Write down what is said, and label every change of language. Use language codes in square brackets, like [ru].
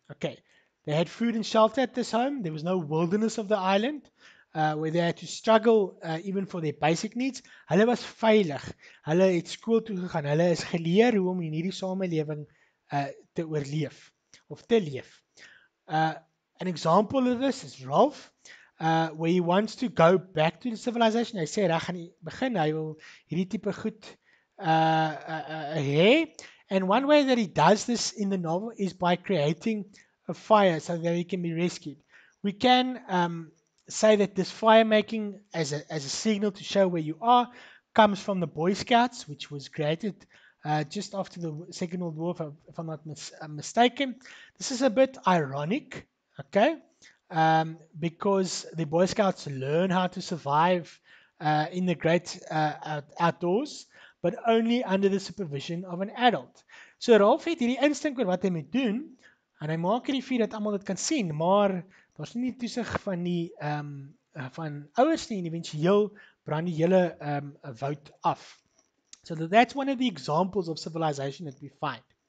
[en] Okay, they had food and shelter at this home. There was no wilderness of the island where they had to struggle even for their basic needs. [af] Hulle was veilig. Hulle het skool toe gegaan. Hulle is geleer hoe om in hierdie samelewing te oorleef of te leef. [en] An example of this is Ralph, where he wants to go back to the civilization. [af] Hy sê, "Ek gaan begin, hy wil hierdie tipe goed hey." [en] And one way that he does this in the novel is by creating a fire so that he can be rescued. We can say that this fire making as a signal to show where you are comes from the Boy Scouts, which was created just after the Second World War, if I'm not mistaken. This is a bit ironic, okay, because the Boy Scouts learn how to survive in the great outdoors, but only under the supervision of an adult. [af] So Ralph het hierdie instink oor wat hy moet doen, en hy maak hierdie vuur dat almal dit kan sien, maar daar's nie die toesig van die van ouers nie, en eventueel brand die hele woud af. [en] So that's one of the examples of civilization that we find.